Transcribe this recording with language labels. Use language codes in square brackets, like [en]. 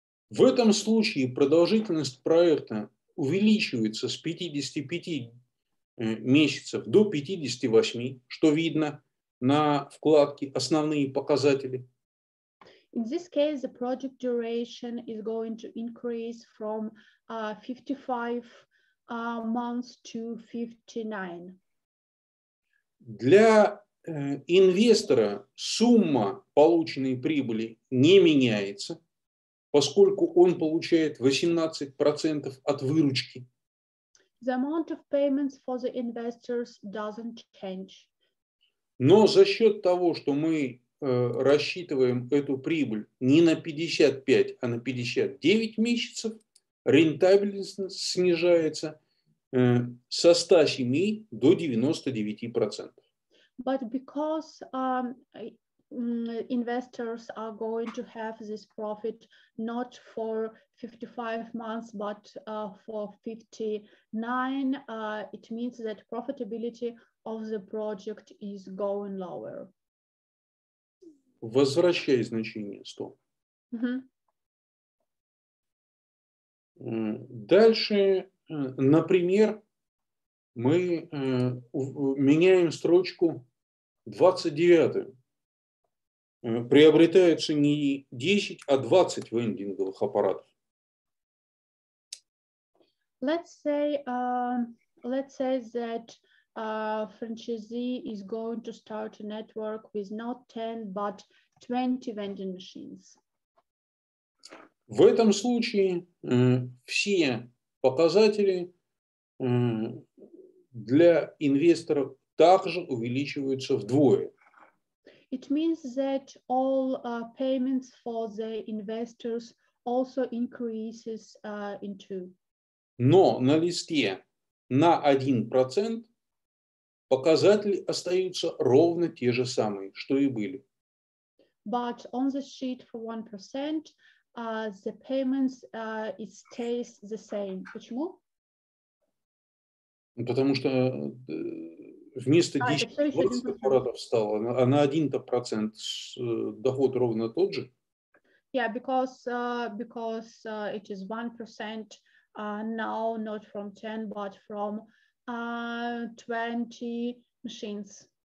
[ru] В этом случае продолжительность проекта увеличивается с 55 месяцев до 58, что видно на вкладке «Основные показатели». [en] In this case, the project duration is going to increase from 55 months to 59. [ru] Для инвестора сумма полученной прибыли не меняется, поскольку он получает 18% от выручки. [en] The amount of payments for the investors doesn't change. [ru] Но за счет того, что мы рассчитываем эту прибыль не на 55, а на 59 месяцев, рентабельность снижается со 107 до 99%. [en] But because investors are going to have this profit not for 55 months, but for 59, it means that profitability of the project is going lower. [ru] Возвращай значение 100. Mm-hmm. Дальше, например, мы меняем строчку 29. Приобретаются не 10, а 20 вендинговых аппаратов. [en] Let's say that franchisee is going to start a network with not 10, but 20 vending machines. [ru] В этом случае все показатели для инвесторов также увеличиваются вдвое. [en] It means that all payments for the investors also increases in two. [ru] Но на листе на 1% показатели остаются ровно те же самые, что и были. [en] But on the sheet for 1%, the payments it stays the same. [ru] Почему? Потому что вместо 10% аппаратов стало, а на 1% доход ровно тот же. [en] Yeah, because it is 1% now, not from 10, but from 20 machines.